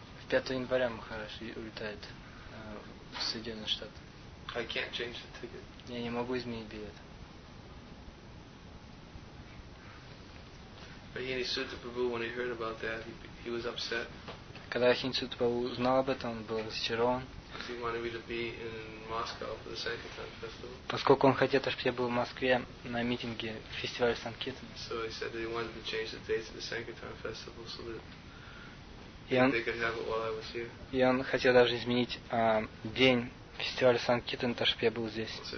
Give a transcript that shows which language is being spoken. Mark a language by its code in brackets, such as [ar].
[ru] 5 января мы хорошо улетает в Соединенные Штаты. [en] I can't change the ticket. [ru] Я не могу изменить билет. [en] Rahini Sutta Prabhu, when he heard about that, he was upset. [ru] Когда Rahini Sutta Prabhu узнал об этом, он был разочарован. [en] Because he wanted me to be in Moscow for the Sankirtan festival. [ru] Поскольку он хотел, чтобы я был в Москве на митинге фестиваля Санкитан. [en] So he said that he wanted to change the dates of the Sankirtan festival so that they could have it while I was here. [ru] И он хотел даже изменить день фестиваль Санкитан, то, чтобы я был здесь.